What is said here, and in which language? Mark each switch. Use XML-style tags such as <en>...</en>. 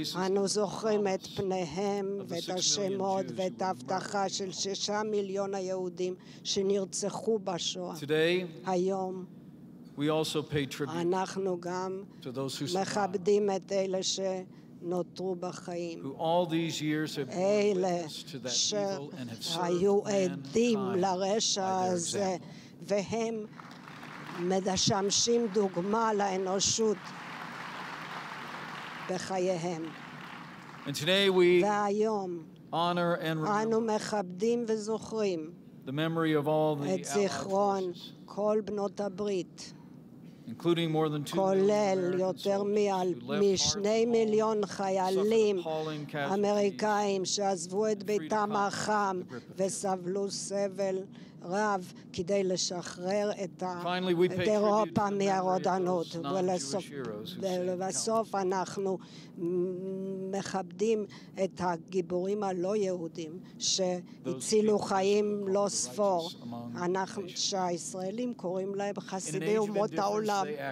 <he>אנו זוכרים את פניהם ואת השמות ואת ההבטחה של 6 מיליון היהודים שנרצחו בשואה.</he> <en>Today</en> <he>היום</he> <en>we also pay tribute.</en> <he>אנחנו גם מכבדים את אלה שנותרו בחיים.</he> <en>Who all these years have witnessed to that evil and have served mankind.</en> <he>והם משמשים דוגמה לאנושות בחייהם.</he> <en>And today we</en> <he>והיום</he> <en>honor and remember.</en> <he>אנו מכבדים וזוכרים</he> <en>the memory of all the</en> <he>את זיכרון כל בנות הברית,</he> <en>including more than 2 million</en> <he>חיילים אמריקאים שעזבו את ביתם החם וסבלו סבל רב כדי לשחרר את אירופה מהרודנות. ולבסוף אנחנו מכבדים את הגיבורים הלא יהודים שהצילו חיים לא ספור, שהישראלים קוראים להם חסידי אומות העולם.</he>